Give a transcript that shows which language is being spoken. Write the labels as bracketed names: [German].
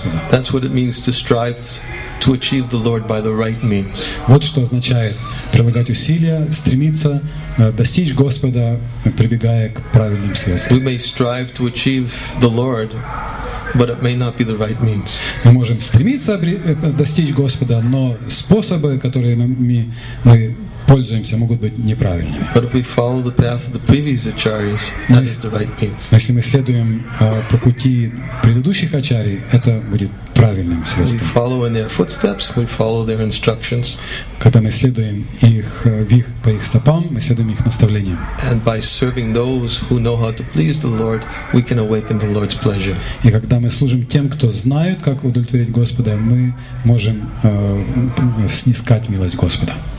[English] That's what it means to strive to achieve the Lord by the right means. [Russian] Вот что означает прилагать усилия, стремиться достичь Господа, прибегая к правильным средствам. [English] We may strive to achieve the Lord, but it may not be the right means. [Russian] Мы можем стремиться достичь Господа, но способы, которыми мы пользуемся, могут быть неправильными. [English] But if we follow the path of the previous acharyas, that is the right means. [Russian] Если мы следуем по пути предыдущих ачарий, это будет правильным средством. [English] We follow in their footsteps, we follow their instructions. [Russian] Когда мы следуем по их стопам, мы следуем их наставлениям. [English] And by serving those who know how to please the Lord, we can awaken the Lord's pleasure. [Russian] И когда мы служим тем, кто знает, как удовлетворить Господа, мы можем снискать милость Господа.